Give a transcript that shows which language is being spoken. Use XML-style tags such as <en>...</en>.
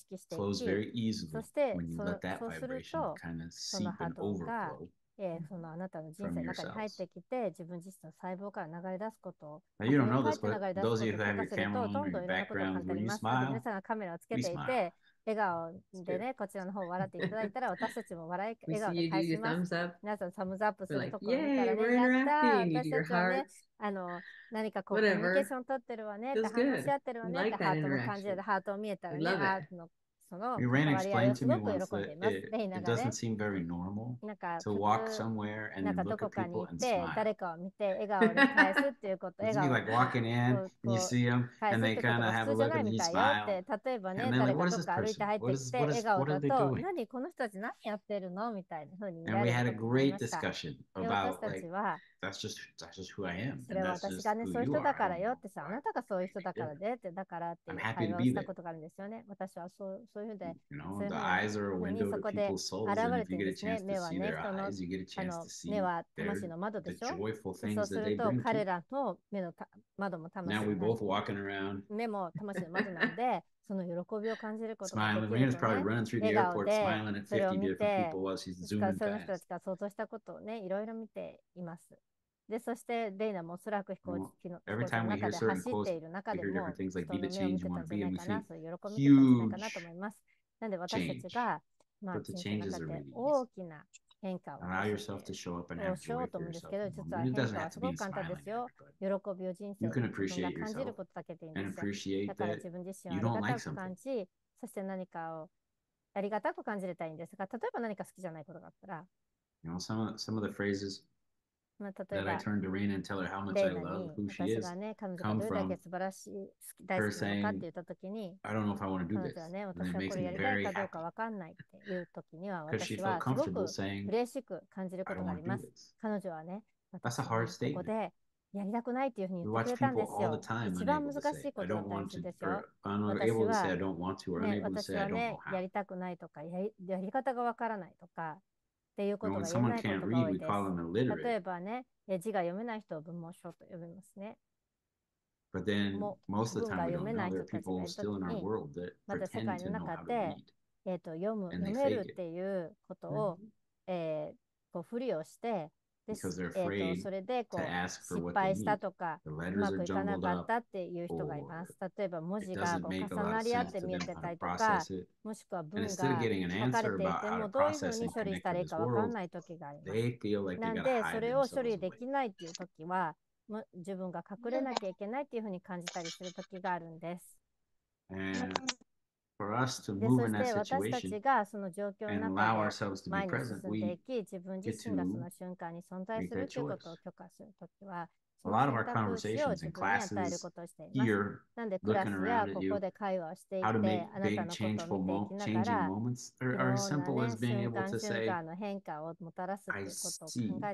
<en>Flows very easily when you let that vibration kind of seep and overflow.</en> <ja>そのあなたの人生の中に入ってきて、自分自身の細胞から流れ出すことを、</ja> <en>Now, you don't know this, but those of you who have your camera on your background, when you smile,</en> <ja>皆さんがカメラをつけていて、笑顔でね、こちらの方を笑っていただいたら、私たちも笑い笑顔で返します。皆さんサムズアップするところを見たらね、やった、私たちはね、あの何かこうコミュニケーションを取ってるわねって話し合ってるわねって、ハートの感じで、ハートを見えたらね、ハートのイランが言ってみますと、</ja> <en>it doesn't seem very normal to walk somewhere and then look at people and smile.</en> <ja>誰かを見て笑顔で返すっていうこと、笑顔</ja> <en>で walking in and you see them and they kind of have a look and you smile.</en> <ja>例えばね、誰かとか歩いて入ってきて笑顔だと、何この人たち何やってるのみたいな風に。</ja> <en>And we had a great discussion about like that's just who I am.</en> <ja>それは私がね、そういう人だからよってさ、あなたがそういう人だからでってだからって会話したことがあるんですよね。私はそう。そういうふうで、</ja> <en>you know, the eyes are a window to people's souls. And if you get a chance to see their eyes, you get a chance to see their, the joyful things that they bring to you. Now we're both walking around. smiling. Rihanna's probably running through the airport smiling at 50 different people while she's zooming past.</en> <ja>その人たちが想像したことをね、いろいろ見ています。でそしてレイナもおそらく飛行機の中で走っている中でも人の目を見てたんじゃないかな、そういう喜びだったんじゃないかなと思います。なんで私たちが、まあ、人生の中で大きな変化をどうしようと思うんですけど、実は変化はすごく簡単ですよ。喜びを人生を自分が感じることだけでいいんですよ。だから自分自身をありがたく感じ、そして何かをありがたく感じれたいんですが、例えば何か好きじゃないことがあったら、</ja> <en>some of the phrases</en> <ja>まあ、</ja> <en>that I turned to Raina and tell her how much I love who she is、</en> <ja>ね、</ja> <en>come from her saying I don't know if I want to do this、</en> <ja>ね、</ja> <en>and it makes me very happy because she felt comfortable saying I don't want to do this、</en> <ja>ね、</ja> <en>that's a hard statement</en> <ja>やりたくないっていうふうに言ってくれたんですよ。一番難しいことなんですよ。私はね、やりたくないとか、やり方がわからないとかっていうことが言えないことが多いです。例えばね、字が読めない人を文盲症と呼びますね。</ja> <en>But then, most of the time, we don't know there are people still in our world that</en> <ja>また世界の中で、読めるっていうことを、こう、ふりをして、でそれでこう失敗したとかうまくいかなかったっていう人がいます。例えば文字がこう重なり合って見えてたりとか、もしくは文が書かれていてもどういうふうに処理したらいいか分からない時があります。なんでそれを処理できないっていう時は自分が隠れなきゃいけないっていうふうに感じたりする時があるんです。</ja> <en>For us to move in that situation and allow ourselves to be present, we get to make that choice. A lot of our conversations in classes here, looking around at you, how to make big changing moments are as simple as being able to say, I see.</en>